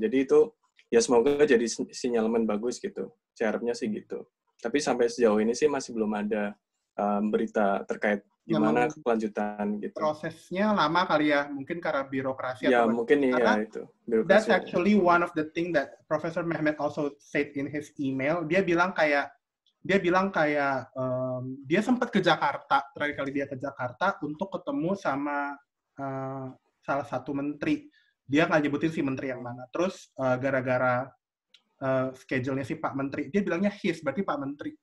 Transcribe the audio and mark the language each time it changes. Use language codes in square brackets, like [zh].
[id] Jadi itu ya semoga jadi sinyalmen bagus gitu. Saya harapnya sih gitu. Tapi sampai sejauh ini sih masih belum ada berita terkait gimana ya, kelanjutan gitu. Prosesnya lama kali ya, mungkin karena birokrasi. Ya, atau mungkin iya itu. [en] That's actually one of the thing that Professor Mehmet also said in his email. [id] Dia bilang kayak dia sempat ke Jakarta, terakhir kali dia ke Jakarta untuk ketemu sama salah satu menteri. Dia nggak nyebutin si menteri yang mana. Terus gara-gara schedule-nya si Pak Menteri, dia bilangnya his, berarti Pak Menteri.